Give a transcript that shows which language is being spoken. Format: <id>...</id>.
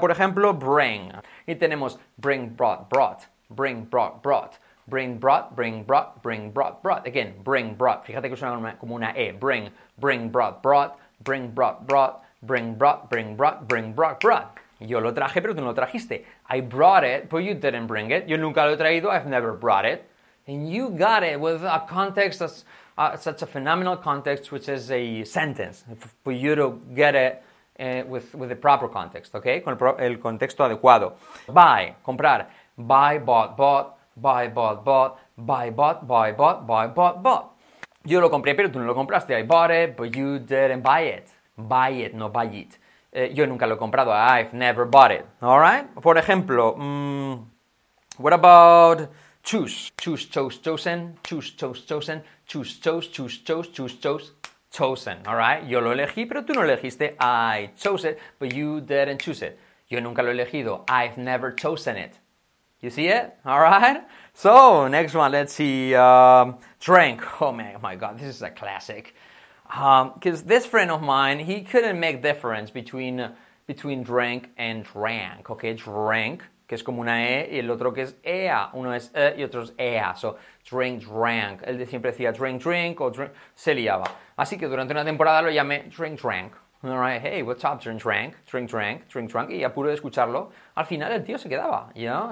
<es>Por ejemplo, bring. Y tenemos bring, brought, brought.</es> <en>Bring, brought, brought. Bring, brought, bring, brought, bring, brought, brought. Again, bring, brought.</en> <es>Fíjate que suena como una E. Bring, bring, brought, brought. Bring, brought, brought.</es> <en>Bring, brought, bring, brought, bring, brought, brought.</en> <es>Yo lo traje, pero tú no lo trajiste.</es> <en>I brought it, but you didn't bring it.</en> <es>Yo nunca lo he traído.</es> <en>I've never brought it. And you got it with a context that's such a phenomenal context, which is a sentence. For you to get it with the proper context, okay?</en> <es>Con el contexto adecuado.</es> <en>Buy, comprar. Buy, bought, bought, buy, bought, bought, buy, bought, buy, bought, buy, bought, bought.</en> <es>Yo lo compré, pero tú no lo compraste.</es> <en>I bought it, but you didn't buy it. Buy it, no buy it.</en> <es>Yo nunca lo he comprado.</es> <en>I've never bought it. All right?</en> <es>Por ejemplo,</es> <en>what about choose? Choose, chose, chosen. Choose, chose, chosen. Choose, chose, choose, chose, choose, chose, chosen. All right?</en> <es>Yo lo elegí, pero tú no lo elegiste.</es> <en>I chose it, but you didn't choose it.</en> <es>Yo nunca lo he elegido.</es> <en>I've never chosen it. You see it? All right? So, next one, let's see. Drink. Oh my God, this is a classic. Because this friend of mine, he couldn't make difference between drink and drank.</en> <es>Okay, drink, que es como una E, y el otro que es EA. Uno es E y otro es EA.</es> <en>So, drink, drank.</en> <es>Él siempre decía drink, drink, o drink. Se liaba. Así que durante una temporada lo llamé drink, drank.</es> <en>All right, hey, what's up, drink, drank, drink, drank, drink, drank.</en> <es>Y a puro de escucharlo, al final el tío se quedaba,</es> <en>you know?</en>